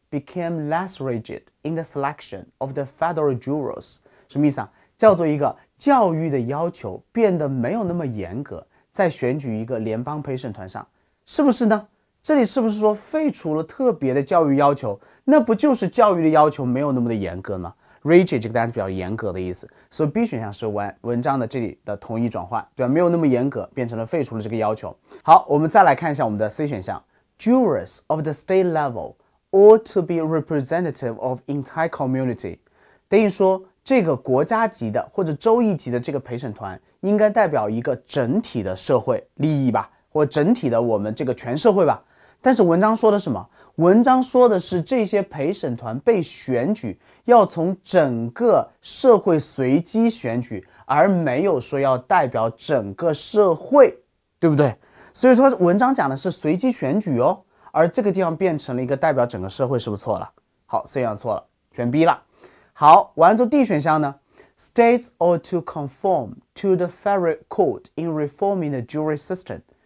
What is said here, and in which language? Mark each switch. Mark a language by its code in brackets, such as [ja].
[en] became less rigid in the selection of the federal jurors. [zh] 什么意思啊？叫做一个教育的要求变得没有那么严格，在选举一个联邦陪审团上，是不是呢？这里是不是说废除了特别的教育要求？那不就是教育的要求没有那么的严格吗？ Rigid 这个单词比较严格的意思，所以 B 选项是文章的这里的同义转换，对吧？没有那么严格，变成了废除了这个要求。好，我们再来看一下我们的 C 选项。 [en] Jurors of the state level ought to be representative of entire community. [zh] 等于说这个国家级的或者州一级的这个陪审团应该代表一个整体的社会利益吧，或整体的我们这个全社会吧。但是文章说的什么？文章说的是这些陪审团被选举要从整个社会随机选举，而没有说要代表整个社会，对不对？所以说文章讲的是随机选举哦，而这个地方变成了一个代表整个社会，是不是错了？好，C选错了，选 B 了。好，完了之后 D 选项呢？ [en] States ought to conform to the federal court in reforming the jury system.